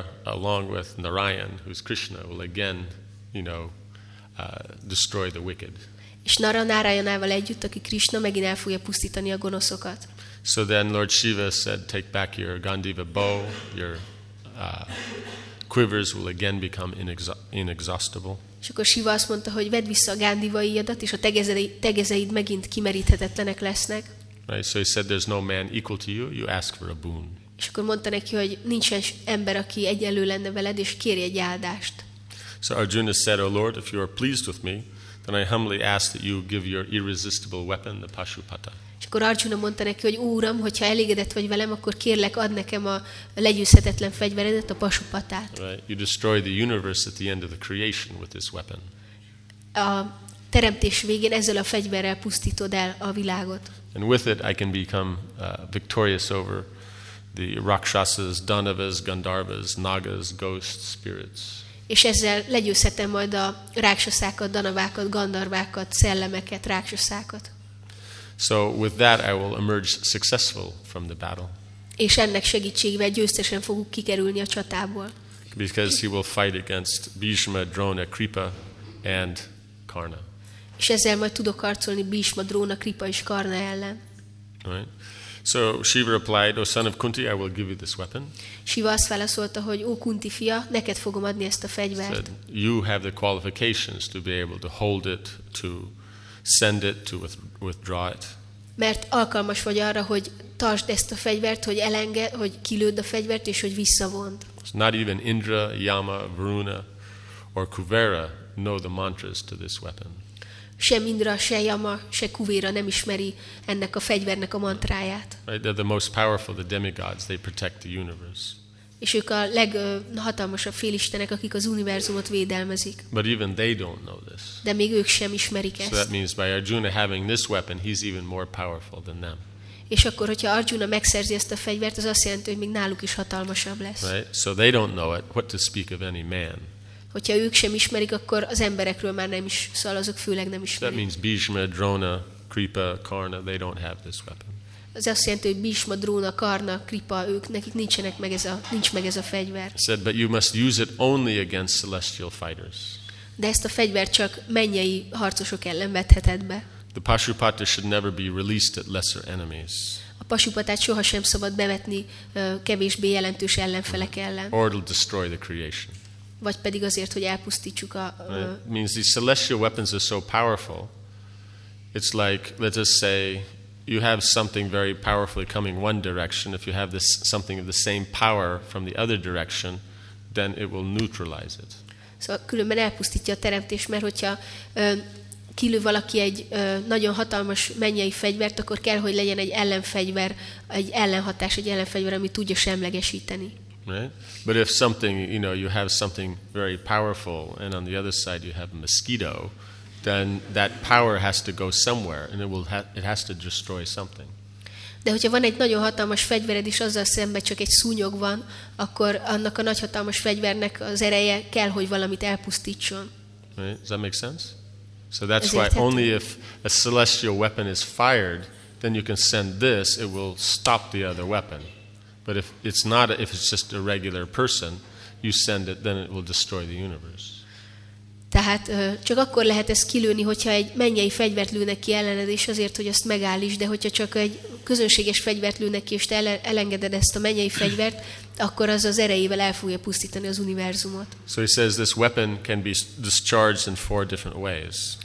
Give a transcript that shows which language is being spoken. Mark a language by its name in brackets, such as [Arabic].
[English] Nara along with Narayan, who's Krishna, will again, you know, destroy the wicked. [Hungarian] És Nara Narayanával együtt, aki Krishna, megint el fogja pusztítani a gonoszokat. [English] So then Lord Shiva said, take back your Gandiva bow, your quivers will again become inexhaustible. [Hungarian] És akkor Shiva azt mondta, hogy vedd vissza a gándivaiadat, és a tegezeid megint kimeríthetetlenek lesznek. [English] Right, so he said, there's no man equal to you, you ask for a boon. [Hungarian] És akkor mondta neki, hogy nincsen ember, aki egyenlő lenne veled, és kéri egy áldást. [English] So Arjuna said, O Lord, if you are pleased with me, then I humbly ask that you give your irresistible weapon, the Pashupata. [Hungarian] És akkor Arjuna mondta neki, hogy Úram, hogyha elégedett vagy velem, akkor kérlek, add nekem a legyőzhetetlen fegyveredet, a Pashupatát. [English] Right. You destroy the universe at the end of the creation with this weapon. [Hungarian] A teremtés végén ezzel a fegyverrel pusztítod el a világot. [English] And with it I can become victorious over the Rakshasas, Danavas, Gandharvas, Nagas, ghosts, spirits. [Hungarian] És ezzel legyőzhetem majd a Rakshasákat, Danavákat, Gandharvákat, szellemeket, Rakshasákat. [English] So with that I will emerge successful from the battle. [Hungarian] És ennek segítségével győztesen fogok kikerülni a csatából. [English] Because he will fight against Bhishma, Drona, Kripa and Karna. [Hungarian] És ezzel majd tudok harcolni Bhishma, Drona, Kripa és Karna ellen. [English] Right. So Shiva replied, O son of Kunti, I will give you this weapon. [Hungarian] Shiva azt válaszolta, hogy ó Kunti fia, neked fogom adni ezt a fegyvert. [English] Said, you have the qualifications to be able to hold it, to send it, to withdraw it. [Hungarian] Mert alkalmas vagy arra, hogy tartsd ezt a fegyvert, hogy elenged, hogy kilőd a fegyvert és hogy visszavond. [English] So not even Indra, Yama, Varuna or Kuvera know the mantras to this weapon. [Hungarian] Sem Indra, se Yama, se Kuvera nem ismeri ennek a fegyvernek a mantráját. [English] Right, they're the most powerful, the demigods. They protect the universe. [Hungarian] És ők a leghatalmasabb félistenek, akik az univerzumot védelmezik. [English] But even they don't know this. [Hungarian] De még ők sem ismerik ezt. [English] So that means by Arjuna having this weapon, he's even more powerful than them. [Hungarian] És akkor, hogyha Arjuna megszerzi ezt a fegyvert, az azt jelenti, hogy még náluk is hatalmasabb lesz. [English] Right? So they don't know it. What to speak of any man? [Hungarian] Hogyha ők sem ismerik, akkor az emberekről már nem is szól, azok főleg nem ismerik. [English] So that means Bhishma, Drona, Kripa, Karna, they don't have this weapon. [Hungarian] Az azt jelenti, hogy Bhishma, Drona, Karna, Kripa, ők, nekik nincs meg ez a fegyver. [English] Said, but you must use it only against celestial fighters. [Hungarian] De ezt a fegyvert csak mennyei harcosok ellen vetheted be. [English] The Pashupata should never be released at lesser enemies. [Hungarian] A Pashupatát sohasem szabad bevetni kevésbé jelentős ellenfelek ellen. [English] Or it'll destroy the creation. [Hungarian] Vagy pedig azért, hogy elpusztítsuk a. [English] It means these celestial weapons are so powerful. It's like, let's just say, you have something very powerfully coming one direction. If you have this something of the same power from the other direction, then it will neutralize it. [Hungarian] Szóval különben elpusztítja a teremtés, mert hogyha kilő valaki egy nagyon hatalmas mennyei fegyvert, akkor kell, hogy legyen egy ellenfegyver, egy ellenhatás, egy ellenfegyver, ami tudja semlegesíteni. [English] Right? But if something, you know, you have something very powerful and on the other side you have a mosquito, then that power has to go somewhere and it has to destroy something. [Hungarian] De hogyha van egy nagyon hatalmas fegyvered és azzal szemben csak egy szúnyog van, akkor annak a nagy hatalmas fegyvernek az ereje kell, hogy valamit elpusztítson. [English] Right? Does that make sense? So that's why only if a celestial weapon is fired, then you can send this, it will stop the other weapon. But if it's not, if it's just a regular person, you send it, then it will destroy the universe. [Hungarian] Tehát csak akkor lehet ezt kilőni, hogyha egy mennyei fegyvert lőnek ki ellened, és azért, hogy ezt megállítsd, de hogyha csak egy közönséges fegyvert lőnek ki, és te elengeded ezt a mennyei fegyvert, akkor az az erejével el fogja pusztítani az univerzumot. [English] So he says this weapon can be discharged in four different ways.